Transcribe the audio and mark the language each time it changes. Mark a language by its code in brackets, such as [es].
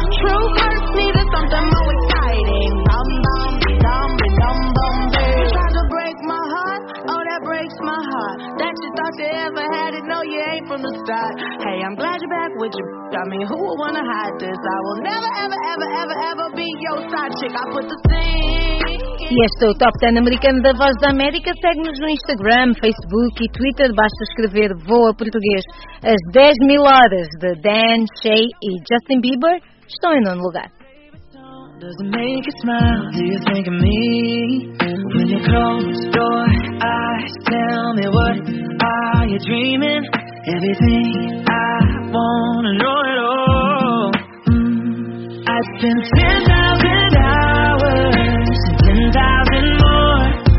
[en] True hurts needed something more exciting. Dum bum dum dum bum bum. You tried to break my heart, oh that breaks my heart. That you thought you ever had it, no you ain't from the start. Hey, I'm glad you're back with your. I mean, who would wanna hide this? I will never, ever, ever, ever, ever be your side chick. I put the thing. [pt] E este é o Top 10 americano da Voz da América. Segue-nos no Instagram, Facebook e Twitter. Basta escrever Voa Português. As 10 mil horas de Dan, Shay e Justin Bieber estão em nono lugar. [en] Does it make you smile? Do you think of me? When you close your eyes, tell me what are you dreaming? Everything I wanna know it all. I've been 10,000 hours, 10,000 more.